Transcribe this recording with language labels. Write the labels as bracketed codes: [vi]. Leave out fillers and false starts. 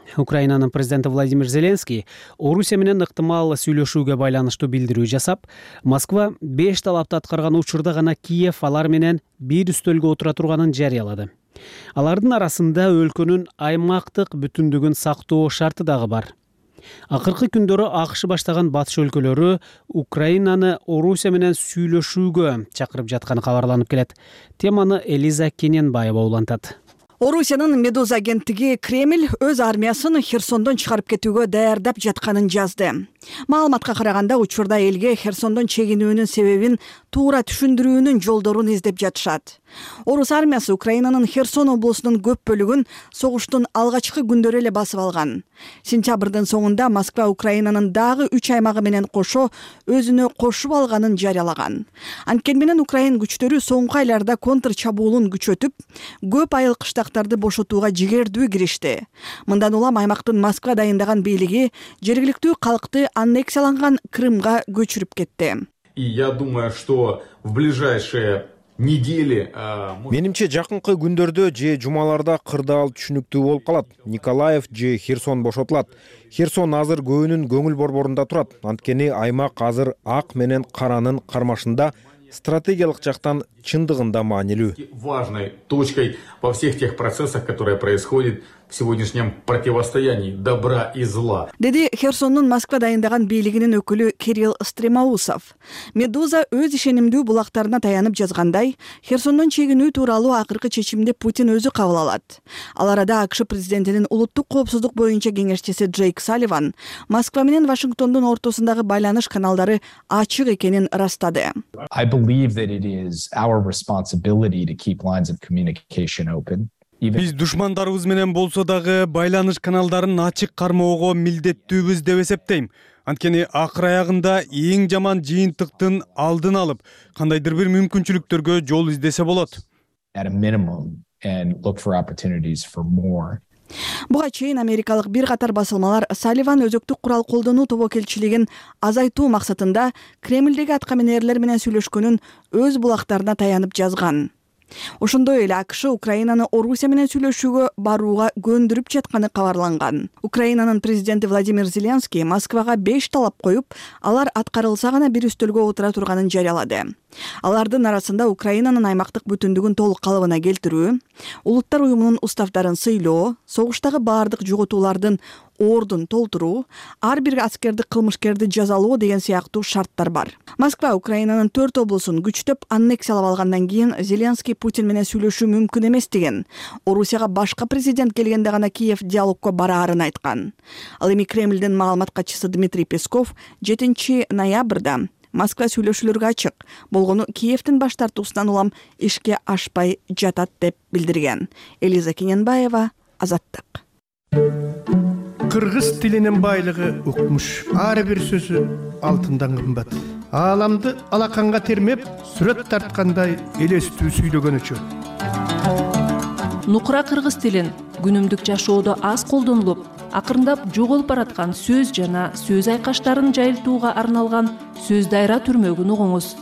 [ky] Украинанын президенти Владимир Зеленский Орусия менен ыктымал сүйлөшүүгө байланыштуу билдирүү жасап, Москва 5 талапты аткарган учурда гана Киев алар менен бир үстөлгө отура турганын жарыялады. Алардын арасында өлкөнүн аймактык бүтүндүгүн сактоо шарты дагы бар. Акыркы күндөрү АШ баштаган батыш өлкөлөрү Украинаны Орусия менен сүйлөшүүгө чакырып жатканы кабарланып келет. Теманы Элиза Кененбаева улантат. Орусиянын Медуза агенттиги Кремль өз армиясын Херсондон чыгарып кетүүгө даярдап жатканын жазды. Маалыматка караганда, учурда элге Херсондон чегинүүнүн себебин туура түшүндүрүүнүн жолдорун издеп жатышат. Орус армиясы Украинанын Херсон облусунун көп бөлүгүн согуштун алгачкы күндөрү эле басып алган. Сентябрдын соңунда Москва Украинанын дагы 3 аймагы менен кошо өзүнө кошуп алганын жарыялаган. Анткени менен Украин күчтөрү соңку айларда контр чабуулун күчөтүп, көп айыл кыштактарды бошотууга жигердүү киришти. Мындан улам аймактын Москва дайындаган бийлиги жергиликтүү калкты аннексияланган Крымга көчүрүп кетти. [ru] Я думаю, что в ближайшие недели, [ky] менимче жакынкы күндөрдө же жумаларда кырдаал түшүнүктүү болуп калат. Николаев же Херсон бошотулат. Херсон азыр көөнүн көңүл борборунда турат. Анткени аймак азыр ак менен каранын кармашында стратегиялык жактан чындыгында маанилүү. [ru] Важной точкой во всех тех процессах, которые происходят в сегодняшнем противостоянии добра и зла. [ky] Деди Херсондун Москва дайындаган бийлигинин өкүлү Кирилл Стремаусов. Медуза өз ишенимдүү булактарына таянып жазгандай, Херсондон чегинүү тууралуу акыркы чечимди Путин өзү кабыл алат. Ал арада АКШ президентинин улуттук коопсуздук боюнча кеңешчиси Джейк Салливан Москва менен Вашингтондун ортосундагы байланыш каналдары ачык экенин ырастады. [en] I believe that it is our responsibility to keep lines of communication open. [ky] Биз душмандарыбыз менен болсо дагы байланыш каналдарын ачык кармоого милдеттүүбүз деп эсептейм. Анткени акыр аягында эң жаман жыйынтыктын алдын алып, кандайдыр бир мүмкүнчүлүктөргө жол издесе болот. [en] At a minimum and look for opportunities for more. [ky] Буга чейин америкалык бир катар басылмалар Салливан өзөктүк курал колдонуу тобокелчилигин азайтуу максатында Кремлдеги аткаминерлер менен сүйлөшкөнүн өз булактарына таянып жазган. Ошондой эле АКШ Украинаны Орусия менен сүйлөшүүгө барууга көндүрүп жатканы кабарланган. Украинанын президенти Владимир Зеленский Москвага 5 талап коюп, алар аткарылса гана бир үстөлгө отура турганын жарыялады. Алардын арасында Украинанын аймактык бүтүндүгүн толук калыбына келтирүү, улуттар уюмунун уставдарын сыйлоо, согуштагы баардык жоготуулардын ордун толтуруу, ар бир аскерди кылмышкерди жазалоо деген сыяктуу шарттар бар. Москва Украинанын 4 облусун күчтөп аннексиялап алгандан кийин Зеленский Путин менен сүйлөшүү мүмкүн эмес деген, Орусияга башка президент келгенде гана Киев диалогко бараарын айткан. Ал эми Кремлдин маалымат катчысы Дмитрий Песков 7 ноябрда Москва сүйлөшүүлөргө ачык, болгону Киевтин баш тартуусунан улам ишке ашпай жатат деп билдирген. Элиза Кененбаева, Азаттык. Кыргыз тилинин байлыгы укмуш, ар бир сөзү алтындан кымбат. Ааламды алаканга термеп, сүрөт тарткандай элестүү сүйлөгөнүчү. Нукура кыргыз тилин күнүмдүк жашоодо аз колдонулуп, акырындап жоголуп бараткан сөз жана сөз айкаштарын жайылтууга арналган сөз дайра түрмөгүн угуңуз.